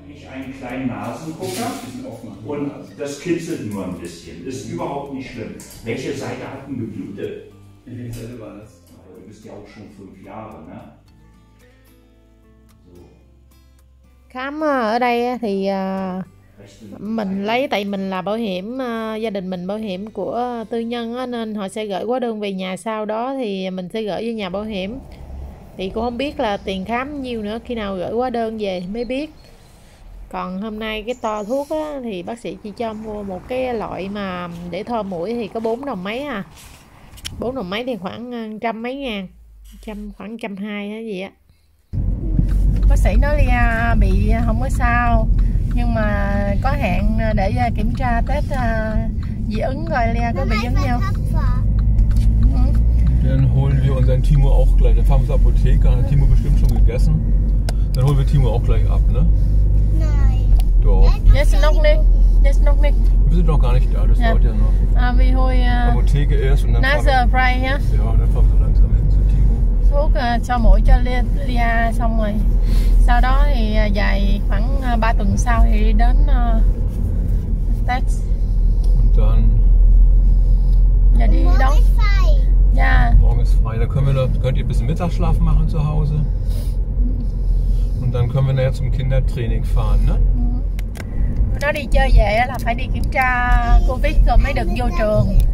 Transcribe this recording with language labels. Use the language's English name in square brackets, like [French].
[German] Einen kleinen Nasengucker und das kitzelt nur ein bisschen. Ist überhaupt nicht schlimm. Welche Seite hat denn geblutet? In welcher Seite war das? Du bist ja auch schon 5 Jahre, ne? So. [Vietnamese] Khám ở đây thì mình lấy, tại mình là bảo hiểm, gia đình mình bảo hiểm của tư nhân á, nên họ sẽ gửi hóa đơn về nhà, sau đó thì mình sẽ gửi với nhà bảo hiểm. Thì cũng không biết là tiền khám nhiêu nữa, khi nào gửi hóa đơn về mới biết. Còn hôm nay cái to thuốc á, thì bác sĩ chỉ cho mua một cái loại mà để thoa mũi thì có 4 đồng mấy à. 4 đồng mấy thì khoảng 100 mấy ngàn, khoảng 120 gì á. Bác sĩ nói Lia bị không có sao. Nhưng mà có hẹn để kiểm tra test dị ứng rồi Lea, có bị giống nhau. [German] Dann holen wir unseren Timo auch gleich. Dann fahren wir zur Apotheke. Hat Timo bestimmt schon gegessen. Dann holen wir Timo auch gleich ab, ne? Nein. Doch. Jetzt noch nicht. Jetzt noch nicht. Wir sind noch gar nicht da. Das dauert ja noch. Aber wir holen Apotheke erst und dann. Nase frei, ja? Ja, und dann fahren wir so langsam hin zu Timo. [Vietnamese] Thuốc cho mũi cho Lea xong rồi. Sau đó thì dài khoảng 3 tuần sau thì đi đến test. [German] Und dann. [Vietnamese] Ja, đi đón. Ja. [German] Morgen ist frei, da können wir noch, könnt ihr ein bisschen Mittagsschlaf machen zu Hause. Und dann können wir nachher zum Kindertraining fahren, ne? [Vietnamese] Nó đi chơi về là phải đi kiểm tra Covid rồi mới được vô trường.